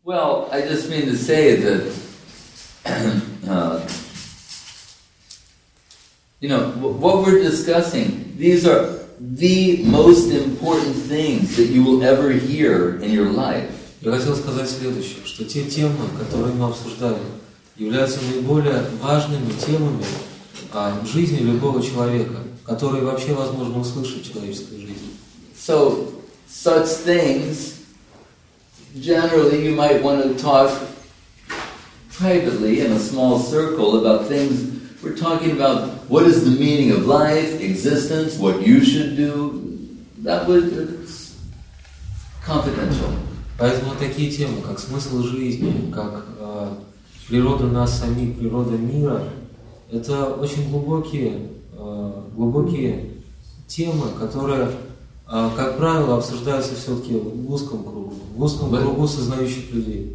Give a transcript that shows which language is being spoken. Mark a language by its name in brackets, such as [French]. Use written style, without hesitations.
[English] Well, I just mean to say that, you know, what we're discussing, these are the most important things that you will ever hear in your life. [Russian] Я хотел сказать следующее, что те темы, которые мы обсуждали, являются наиболее важными темами в жизни любого человека, которые вообще возможно услышать в человеческой жизни. [English] So, such things, generally you might want to talk privately in a small circle about things we're talking about, what is the meaning of life, existence, what you should do, that would be confidential. [Russian] Поэтому такие темы, как смысл жизни, как природа нас самих, природа мира, это очень глубокие темы, которые, как правило, обсуждаются все-таки в узком кругу сознающих людей.